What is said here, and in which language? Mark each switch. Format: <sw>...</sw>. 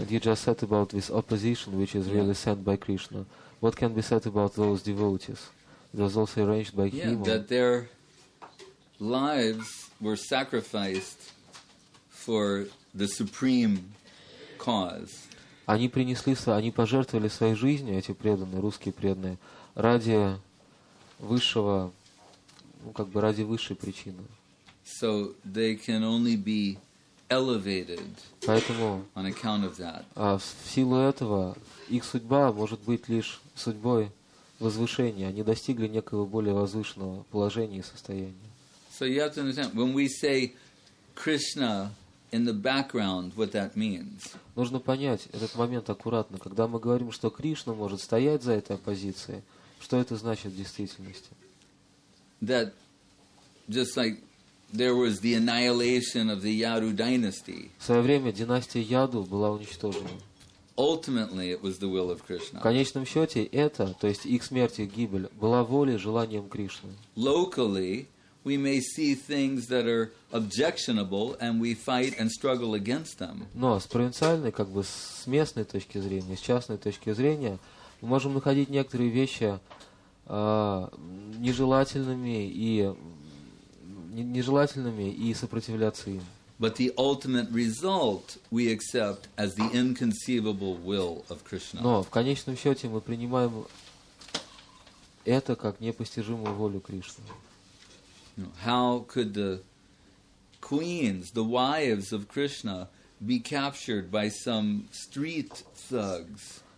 <en>And you just said about this opposition, which is really sent by Krishna. What can be said about those devotees? It was also arranged by him. That their lives were sacrificed for the supreme cause.</en> <ru>Они принесли, они пожертвовали своей жизнью, эти преданные, русские преданные, ради высшего... Ну, как бы ради высшей причины.</ru> <en>So they can only be elevated.</en> <ru>Поэтому,</ru> <en>on account of that.</en> <ru>А в силу этого их судьба может быть лишь судьбой возвышения. Они достигли некоего более возвышенного положения и состояния.</ru> <en>So you have to understand when we say Krishna in the background, what that means.</en> <ru>Нужно понять этот момент аккуратно, когда мы говорим, что Кришна может стоять за этой оппозицией, что это значит в действительности.</ru> <en>That just like there was the annihilation of the Yadu dynasty.</en> <ru>В свое время династия Яду была уничтожена.</ru> <en>Ultimately, it was the will of Krishna.</en> <ru>В конечном счете это, то есть их смерть и гибель, была волей, желанием Кришны.</ru> <en>Locally, we may see things that are objectionable, and we fight and struggle against them.</en> <ru>Но с провинциальной, как бы с местной точки зрения, с частной точки зрения, мы можем находить некоторые вещи. Нежелательными и сопротивляться им.</ru> <en>But the ultimate result we accept as the inconceivable will of Krishna.</en> <ru>Но в конечном счете мы принимаем это как непостижимую волю Кришны.</ru> <en>How could the queens, the wives of Krishna, be captured by some street thugs?</en>